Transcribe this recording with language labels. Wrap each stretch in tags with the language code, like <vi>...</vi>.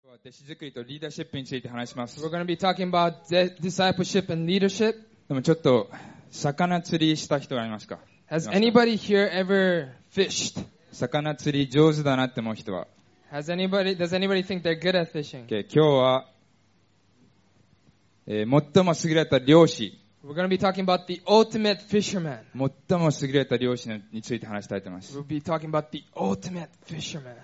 <ja>弟子作りとリーダーシップについて話します。</ja> <en>We're going to be talking about discipleship and leadership.</en> <ja>でもちょっと、魚釣りした人はいますか？</ja> <en>Has anybody here ever fished?</en> <ja>魚釣り上手だなって思う人は？</ja> <en>Does anybody think they're good at fishing?</en> <ja>Okay, 今日は、最も優れた漁師。</ja> <en>We're going to be talking about the ultimate fisherman.</en> <ja>最も優れた漁師について話したいと思います。</ja> <en>We'll be talking about the ultimate fisherman.</en>